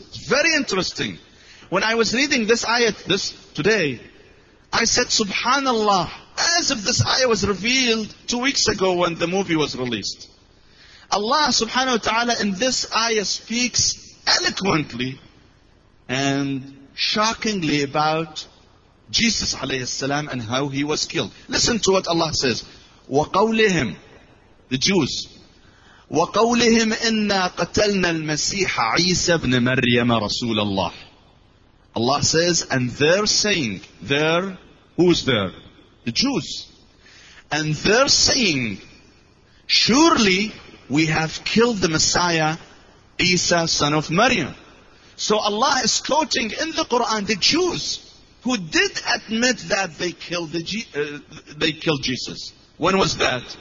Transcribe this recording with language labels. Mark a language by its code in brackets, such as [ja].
[en] It's very interesting. When I was reading this ayah today, I said, subhanallah, as if this ayah was revealed 2 weeks ago when the movie was released. Allah subhanahu wa ta'ala in this ayah speaks eloquently and shockingly about Jesus alayhi salam and how he was killed. Listen to what Allah says. [ar] وَقَوْلِهِمْ, [en] the Jews, [ar] وَقَوْلِهِمْ إِنَّا قَتَلْنَا الْمَسِيحَ عِيسَى بْنِ مَرْيَمَ رَسُولَ اللَّهِ. [en] Allah says, and they're saying, they're, who's there? The Jews. And they're saying, surely we have killed the Messiah, Isa, son of Maryam. So Allah is quoting in the Quran the Jews who did admit that they killed killed Jesus. When was that?